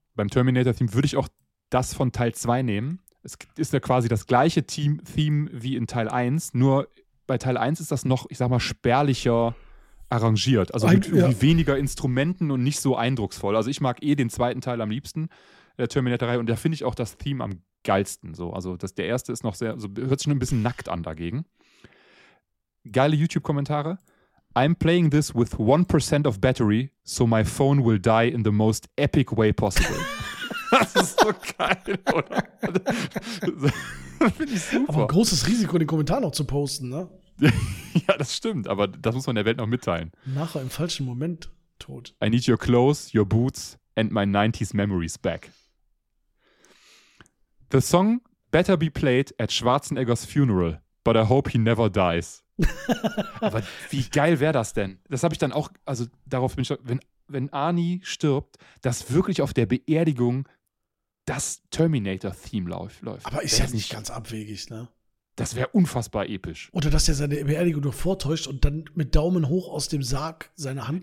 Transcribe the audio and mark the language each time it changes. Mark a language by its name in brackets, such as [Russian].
[German] Beim Terminator-Theme würde ich auch das von Teil 2 nehmen. Es ist ja quasi das gleiche Theme wie in Teil 1, nur bei Teil 1 ist das noch, ich sag mal, spärlicher arrangiert. Also mit irgendwie weniger Instrumenten und nicht so eindrucksvoll. Also ich mag den zweiten Teil am liebsten, der Terminator-Reihe, und da finde ich auch das Theme am geilsten. So. Also der erste ist noch sehr, also hört sich schon ein bisschen nackt an dagegen. Geile YouTube-Kommentare. [English] I'm playing this with 1% of battery, so my phone will die in the most epic way possible. [German] Das ist so geil, oder? Finde ich super. Aber ein großes Risiko, den Kommentar noch zu posten, ne? Ja, das stimmt, aber das muss man der Welt noch mitteilen. Nachher im falschen Moment tot. [English] I need your clothes, your boots and my 90s memories back. The song better be played at Schwarzeneggers funeral, but I hope he never dies. [German] Aber wie geil wäre das denn? Das habe ich dann auch, also darauf bin ich, wenn Arnie stirbt, dass wirklich auf der Beerdigung das Terminator-Theme läuft. Aber ist ja nicht ganz abwegig, ne? Das wäre unfassbar episch. Oder dass er seine Beerdigung nur vortäuscht und dann mit Daumen hoch aus dem Sarg seine Hand.